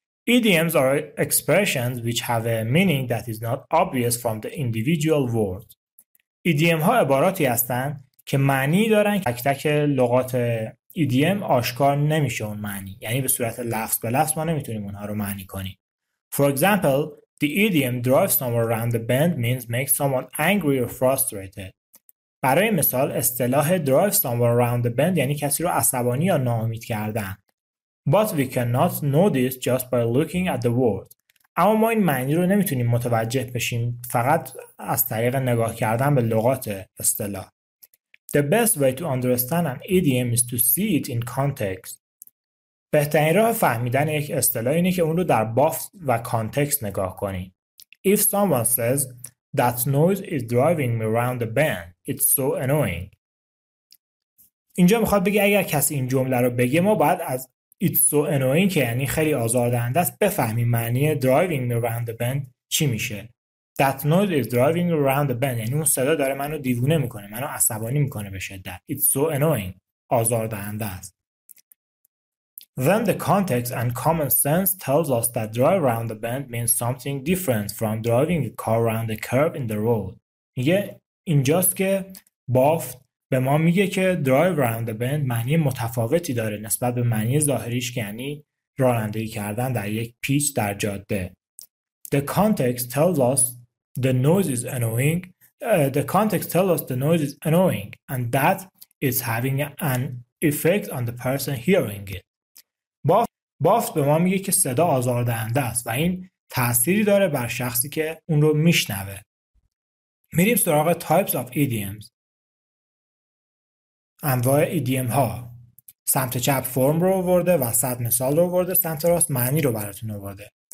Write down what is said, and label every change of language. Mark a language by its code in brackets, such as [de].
[en] Idioms are expressions which have a meaning that is not obvious from the individual word. [fa] ایدیوم ها عباراتی هستن که معنی دارن که تک لغات ایدیوم آشکار نمیشه اون معنی، یعنی به صورت لفظ به لفظ ما نمیتونیم اونها رو معنی کنیم. [en] For example, the idiom drive someone around the bend means make someone angry or frustrated. [fa] برای مثال اصطلاح [en] drive someone around the bend [fa] یعنی کسی رو عصبانی یا ناامید کردن. [en] But we cannot know this just by looking at the word. [fa] اما ما این معنی رو نمیتونیم متوجه بشیم فقط از طریق نگاه کردن به لغات اصطلاح. [en] The best way to understand an idiom is to see it in context. [fa] بهترین راه فهمیدن یک اصطلاح اینه که اون رو در بافت و کانتکست نگاه کنی. [en] If someone says that noise is driving me around the bend, it's so annoying. [fa] اینجا میخواد بگه اگر کسی این جمله رو بگه ما باید از [en] it's so annoying [fa] که یعنی خیلی آزاردهنده است بفهمیم معنی [en] driving me around the bend [fa] چی میشه. [en] That noise is driving around the bend. [fa] یعنی اون صدا داره منو دیوونه میکنه. منو عصبانی میکنه به شدت. [en] It's so annoying. [fa] آزاردهنده است. [en] Then the context and common sense tells us that drive around the bend means something different from driving a car around the curb in the road. [fa] میگه اینجاست که بافت به ما میگه که [en] drive around the bend [fa] معنی متفاوتی داره نسبت به معنی ظاهریش که یعنی رانندگی کردن در یک پیچ در جاده. [en] The context tells us the noise is annoying. The context tells us the noise is annoying and that is having an effect on the person hearing it. [fa] بافت به ما میگه که صدا آزاردهنده است و این تأثیری داره بر شخصی که اون رو میشنوه. میریم سراغ [en] types of idioms. [fa] انواع ایدیوم ها. سمت چپ فرم رو آورده و صد مثال رو آورده، سمت راست معنی رو براتون آورده.